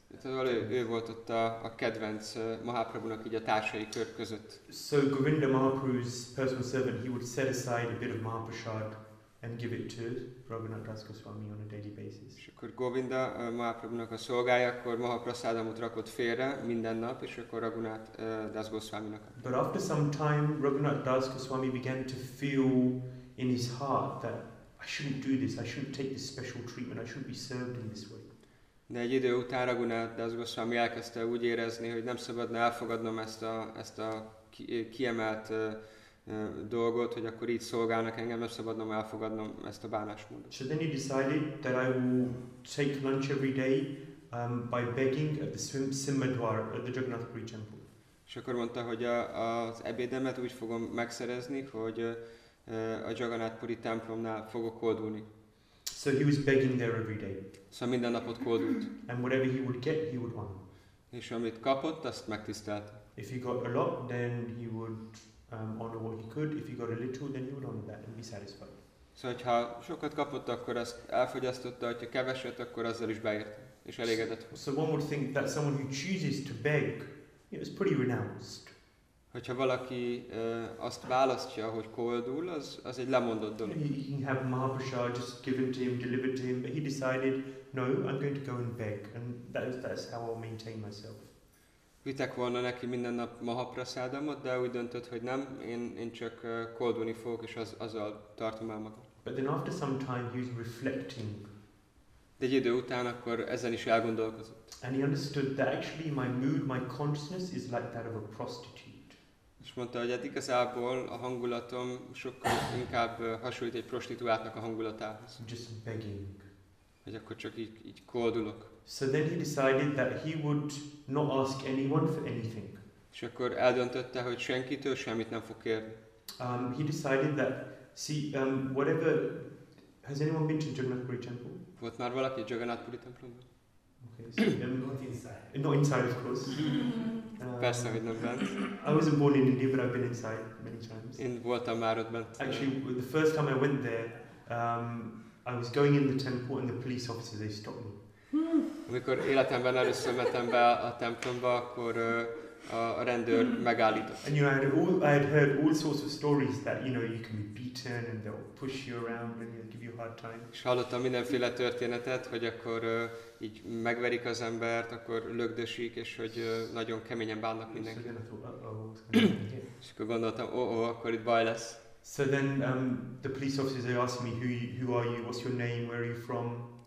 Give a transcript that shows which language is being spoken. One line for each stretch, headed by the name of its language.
Hungarian: Tehát ő volt ott a kedvenc Mahaprabhunak így a társai kör között.
English: So Govinda Mahaprabhu's personal servant, he would set aside a bit of Mahaprasad and give it to Raghunath Das Goswami on a daily basis.
Hungarian: És akkor Govinda Mahaprabhunak a szolgája, akkor Mahaprasadamot rakott félre minden nap, és akkor Raghunath Das Goswaminak.
English: But after some time, Raghunath Das Goswami began to feel in his heart that I shouldn't do this. I shouldn't take this special treatment. I shouldn't be served in this way.
Hungarian: De egy idő után Raghunath Das Goswami elkezdte úgy érezni, hogy nem szabadna elfogadnom ezt a kiemelt dolgot, hogy akkor így szolgálnak engem, nem szabadna elfogadnom ezt a bánásmódot.
English: So then he decided that I will take lunch every day by begging at the Simhadwar, at the Jagannath Puri temple.
Hungarian: És akkor mondta, hogy az ebédemet úgy fogom megszerezni, hogy a Jagannath Puri templomnál fogok koldulni.
English: So he was begging there every day.
Hungarian: Szóval minden napot koldult.
English: And whatever he would get, he would want.
Hungarian: És amit kapott, azt megtisztelt.
English: If he got a lot, then he would honor what he could. If he got a little, then he would honor that and be satisfied.
Hungarian: So, hogyha sokat kapott, akkor azt elfogyasztotta, hogyha keveset, akkor azzal is beért és elégedett.
English: So one would think that someone who chooses to beg, you know, is pretty renounced.
Hungarian: Hogyha valaki azt választja, hogy koldul, az egy lemondott dolog.
English: He had Mahabhasha just given to him, delivered to him, but he decided, no, I'm going to go and beg, and that's how I'll maintain myself.
Hungarian: Vitek volna neki minden nap Mahaprasádamot, de úgy döntött, hogy nem, én csak koldulni fogok, és azzal tartom el magam.
English: But then after some time he was reflecting.
Hungarian: De egy idő után akkor ezen is elgondolkozott.
English: And he understood that actually my mood, my consciousness is like that of a prostitute.
Hungarian: És mondta, hogy hát igazából a hangulatom sokkal inkább hasonlít egy prostituáltnak a hangulatához.
English: Just begging.
Hungarian: Hogy akkor csak így koldulok.
English: So then he decided that he would not ask anyone for anything.
Hungarian: És akkor eldöntötte, hogy senkitől semmit nem fog kérni.
English: He decided that, whatever, has anyone been to Jagannath Puri temple?
Hungarian: Volt már valaki Jagannath Puri templomban?
English: Okay, so not inside, of course.
Hungarian: Persze, hogy nem bent.
English: I wasn't born in India, but I've been inside many times.
Hungarian: Én voltam már ott bent.
English: Actually, the first time I went there, I was going in the temple and the police officer, they stopped me.
Hungarian: Amikor életemben először mentem be a templomba, akkor a rendőr megállított.
English: And you know, I had heard all sorts of stories that, you know, you can be beaten and they'll push you around and they'll give you a hard time.
Hungarian: És hallottam mindenféle történetet, hogy akkor így megverik az embert, akkor lögdösik, és hogy nagyon keményen bánnak mindenki.
English: So then I thought, uh-oh.
Hungarian: És akkor gondoltam, oh, akkor itt baj lesz.
English: So then the police officers, they asked me, who are you, what's your name, where are you from?